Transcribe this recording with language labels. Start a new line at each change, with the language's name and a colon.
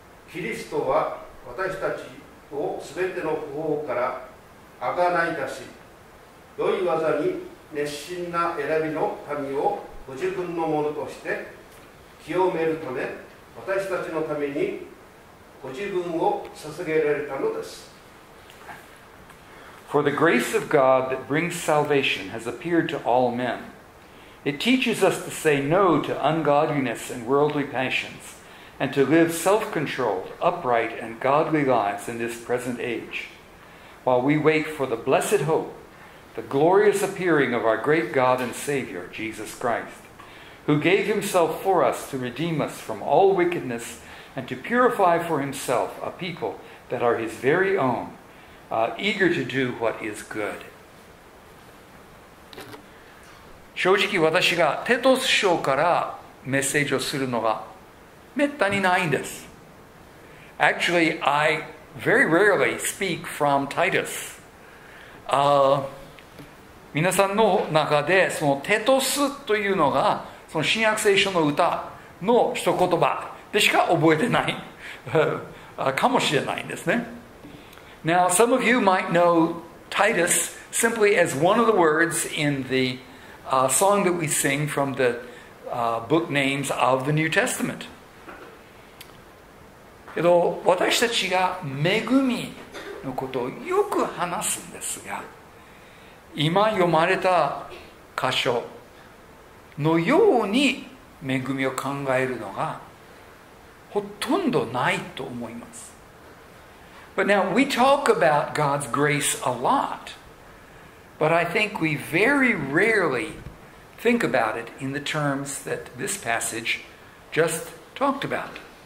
Japanese: キリストは私たちを全ての不法から贖い出し良い技に熱心な選びの民をご自分のものとして清めるため私たちのためにご自分を捧げられたのです。
English: For the grace of God that brings salvation has appeared to all men. It teaches us to say no to ungodliness and worldly passions, and to live self-controlled, upright, and godly lives in this present age, while we wait for the blessed hope, the glorious appearing of our great God and Savior, Jesus Christ, who gave himself for us to redeem us from all wickedness and to purify for himself a people that are his very own,eager to do what is good.
Japanese: 正直私がテトス賞からメッセージをするのがめったにないんです。
English: Actually, I very rarely speak from Titus.
Japanese: 皆さんの中でそのテトスというのがその新約聖書の歌の一言葉でしか覚えてないかもしれないんですね。
English: Now, some of you might know Titus simply as one of the words in the song that we sing from the book names of the New Testament.
Japanese: 私たちが恵みのことをよく話すんですが、今読まれた箇所のように恵みを考えるのがほとんどないと思います。
English: But now we talk about God's grace a lot, but I think we very rarely think about it in the terms that this passage just talked about.